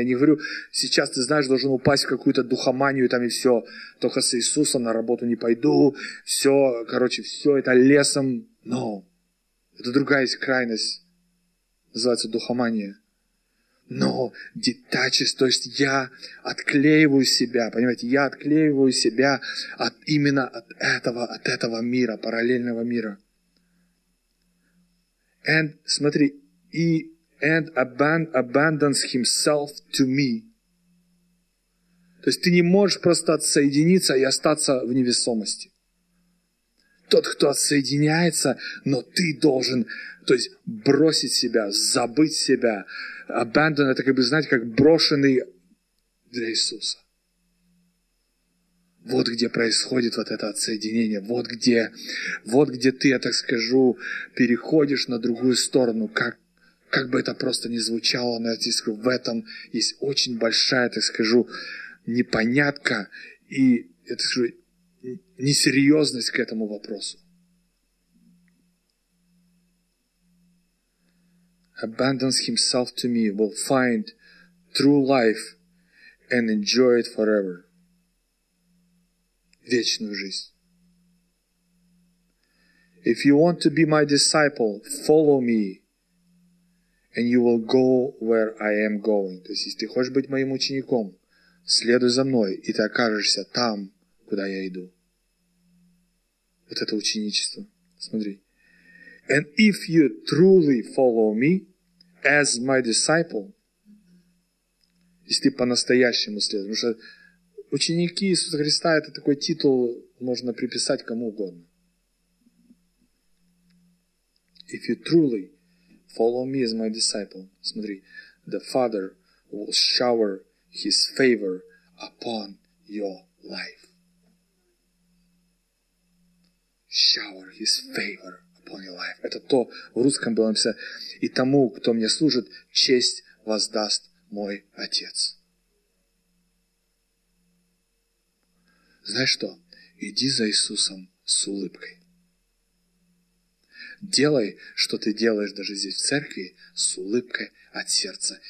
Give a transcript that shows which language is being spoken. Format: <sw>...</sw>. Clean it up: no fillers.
<ru>Я не говорю, сейчас ты знаешь, должен упасть в какую-то духоманию там и все, только с Иисусом на работу не пойду, все, короче, все это лесом, но это другая есть крайность, называется духомания. Но</ru> <en>detaches,</en> <ru>то есть я отклеиваю себя, понимаете, я отклеиваю себя от, именно от этого мира, параллельного мира.</ru> <en>And,</en> <ru>смотри,</ru> <en>and abandons himself to me.</en> <ru>То есть ты не можешь просто отсоединиться и остаться в невесомости. Тот, кто отсоединяется, но ты должен, то есть бросить себя, забыть себя. Abandon, это как бы, знаете, как брошенный для Иисуса. Вот где происходит вот это отсоединение. Вот где ты, я так скажу, переходишь на другую сторону. Как бы это просто ни звучало, но я тебе скажу, в этом есть очень большая, так скажу, непонятка и, я так скажу, несерьезность к этому вопросу.</ru> <en>Abandons himself to me, will find true life and enjoy it forever.</en> <ru>Вечную жизнь.</ru> <en>If you want to be my disciple, follow me and you will go where I am going.</en> <ru>То есть, если ты хочешь быть моим учеником, следуй за мной, и ты окажешься там, куда я иду. Вот это ученичество. Смотри.</ru> <en>And if you truly follow me as my disciple,</en> <ru>если ты по-настоящему следуешь, потому что ученики Иисуса Христа — это такой титул, можно приписать кому угодно.</ru> <en>If you truly follow me as my disciple,</en> <ru>смотри,</ru> <en>the Father will shower his favor upon your life. Shower his favor upon your life.</en> <ru>Это то, в русском было написано: и тому, кто мне служит, честь воздаст мой Отец. Знаешь что? Иди за Иисусом с улыбкой. Делай, что ты делаешь даже здесь в церкви, с улыбкой от сердца.</ru>